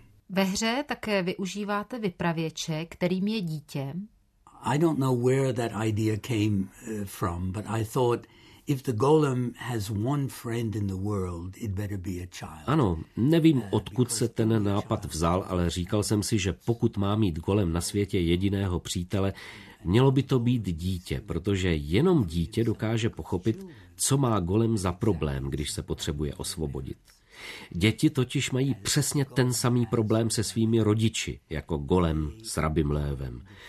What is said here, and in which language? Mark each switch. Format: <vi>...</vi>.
<cs>Ve hře také využíváte vypravěče, kterým je dítě.</cs> <en>I don't know where that idea came from, but I thought if the golem has one friend in the world, it better be a child.</en> <cs>Ano, nevím, odkud se ten nápad vzal, ale říkal jsem si, že pokud má mít golem na světě jediného přítele, mělo by to být dítě, protože jenom dítě dokáže pochopit, co má golem za problém, když se potřebuje osvobodit. Děti totiž mají přesně ten samý problém se svými rodiči, jako golem s rabim lévem.</cs>